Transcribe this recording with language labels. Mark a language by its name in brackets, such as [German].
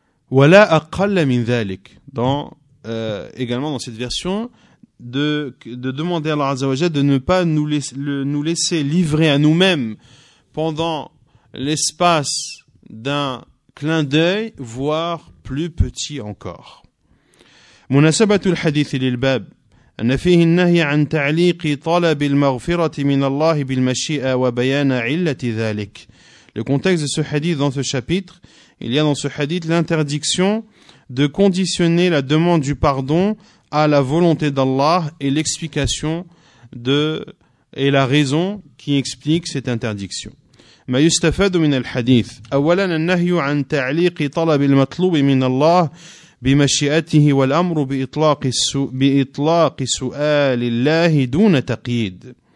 [Arabic] Wala aqall min dhalik. [French] Également dans cette version, de demander à Allah Azza wa Jalla de ne pas nous laisser livrer à nous-mêmes pendant l'espace d'un clin d'œil, voire plus petit encore. [Arabic] Munasabatul hadith lil bab. أن فيه النهي عن تعليق طلب المغفرة من الله بالمشيئة وبيان علة ذلك. [French] Le contexte de ce hadith dans ce chapitre, il y a dans ce hadith l'interdiction de conditionner la demande du pardon à la volonté d'Allah et l'explication et la raison qui explique cette interdiction. [Arabic] ما يستفاد من الحديث أولا النهي عن تعليق طلب المطلوب من الله بمشيئته والأمر بإطلاق سؤال الله دون تقييد.